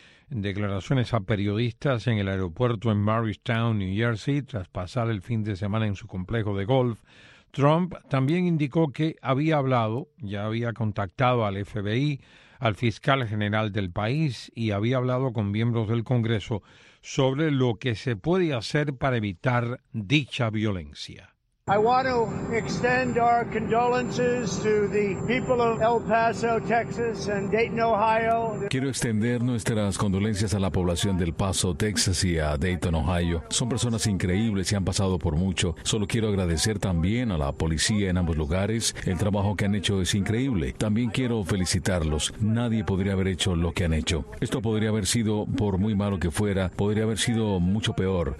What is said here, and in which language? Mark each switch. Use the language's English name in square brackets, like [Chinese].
[Spanish] En declaraciones a periodistas en el aeropuerto en Marystown, New Jersey, tras pasar el fin de semana en su complejo de golf, Trump también indicó que había hablado, ya había contactado al FBI, al fiscal general del país y había hablado con miembros del Congreso sobre lo que se puede hacer para evitar dicha violencia. [English] I want to extend our condolences to the people of El Paso, Texas, and Dayton, Ohio. [Spanish] Quiero extender nuestras condolencias a la población del Paso, Texas, y a Dayton, Ohio. Son personas increíbles y han pasado por mucho. Solo quiero agradecer también a la policía en ambos lugares. El trabajo que han hecho es increíble. También quiero felicitarlos. Nadie podría haber hecho lo que han hecho. Esto podría haber sido, por muy malo que fuera, podría haber sido mucho peor.